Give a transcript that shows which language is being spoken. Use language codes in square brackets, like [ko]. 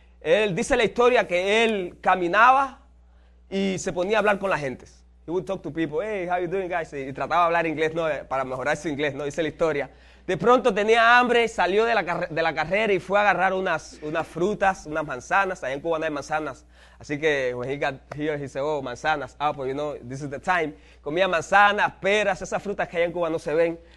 [es] Él dice la historia que él caminaba y se ponía a hablar con la gente. [en] He would talk to people, hey, how you doing, guys? [es] Y trataba de hablar inglés, ¿no? Para mejorar su inglés, ¿no? Dice la historia. De pronto tenía hambre, salió de la carrera y fue a agarrar unas frutas, unas manzanas. Allá en Cuba no hay manzanas. Así que [en] when he got here, he said, oh, [es] manzanas. Ah, pues, [en] this is the time. [es] Comía manzanas, peras, esas frutas que allá en Cuba no se ven.